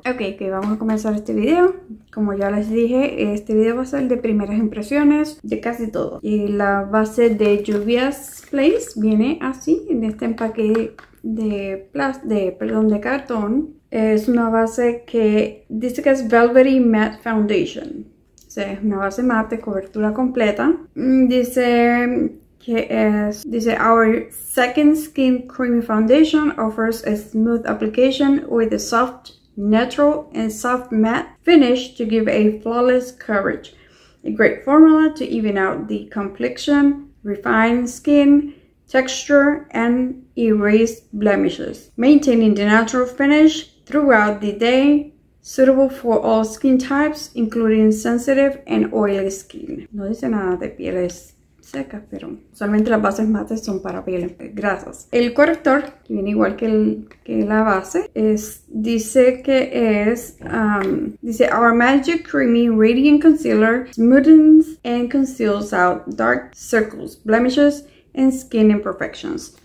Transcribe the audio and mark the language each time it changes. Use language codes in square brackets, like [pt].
[es] Ok, que vamos a comenzar este video. Como ya les dije, este video va a ser de primeras impresiones de casi todo. Y la base de Juvia's Place viene así, en este empaque de cartón. Es una base que dice que es Velvety Matte Foundation. O sea, es una base mate, cobertura completa. [en] Dice, Our Second Skin Creamy Foundation offers a smooth application with a soft, natural, and soft matte finish to give a flawless coverage. A great formula to even out the complexion, refine skin texture, and erase blemishes. Maintaining the natural finish throughout the day. Suitable for all skin types, including sensitive and oily skin. [es] No dice nada de pieles secas, pero solamente las bases mates son para pieles grasas. El corrector, que viene igual que la base, dice [en] Our Magic Creamy Radiant Concealer smoothens and conceals out dark circles, blemishes, and skin imperfections.